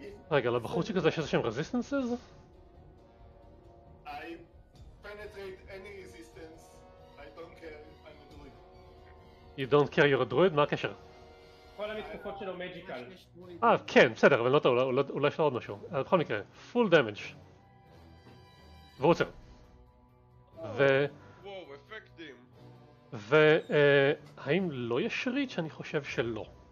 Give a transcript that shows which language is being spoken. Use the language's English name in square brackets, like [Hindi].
[Hebrew] רגע, לבחור שכזה יש איזה שהם רזיסטנסס? [English] I penetrate any resistance, I don't care, I'm a druid. You don't care, you're a druid? [Hebrew] מה הקשר? כל המתקפות שלו magical. אה, כן, בסדר, אבל לא טוב, אולי יש לו עוד משהו. בכל מקרה, [English] full damage. [Hebrew] והוא עוצר. וואו, אפקטים. והאם לא יש ריץ' שאני חושב שלא.